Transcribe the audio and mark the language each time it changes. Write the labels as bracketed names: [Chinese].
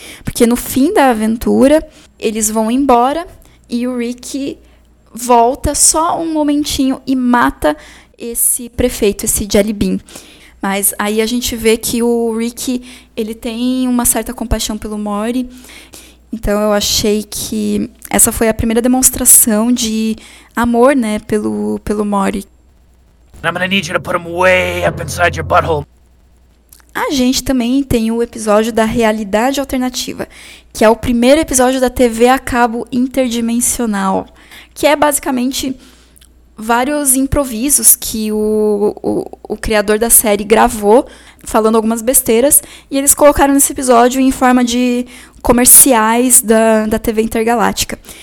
[Portuguese] Porque no fim da aventura, eles vão embora e o Rick volta só um momentinho e mata esse prefeito, esse Jelly Bean. Mas aí a gente vê que o Rick, ele tem uma certa compaixão pelo Morty. Então eu achei que essa foi a primeira demonstração de amor, né, pelo Morty. [English] I'm gonna need you to put them way up inside your butthole. [Portuguese] A gente também tem o episódio da realidade alternativa, que é o primeiro episódio da TV a cabo interdimensional, que é basicamente vários improvisos que o criador da série gravou, falando algumas besteiras, e eles colocaram nesse episódio em forma de comerciais da TV Intergaláctica.